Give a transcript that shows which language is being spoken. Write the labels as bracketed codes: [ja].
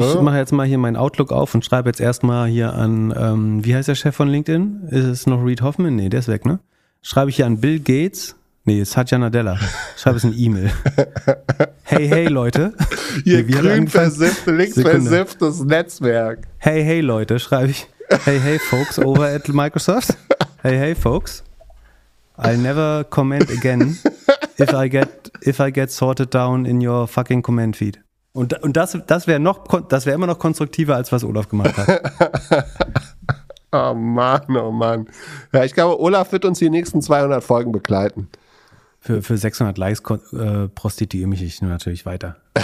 [de] Also ich mache jetzt mal hier meinen Outlook auf und schreibe jetzt erstmal hier an, wie heißt der Chef von LinkedIn? Ist es noch Reid Hoffman? Nee, der ist weg, ne? Schreibe ich hier an Bill Gates? Nee, Satya Nadella. Schreibe es in E-Mail. Hey, Leute. Ihr nee, grün versiffte, links versifftes Netzwerk. Hey, Leute, schreibe ich. [en] Hey, Folks, over at Microsoft. Hey, Folks. I'll never comment again if I get sorted down in your fucking comment feed. [de] Und das wäre immer noch konstruktiver, als was Olaf gemacht hat. Oh Mann. Ja, ich glaube, Olaf wird uns die nächsten 200 Folgen begleiten. Für 600 Likes prostituiere mich ich natürlich weiter.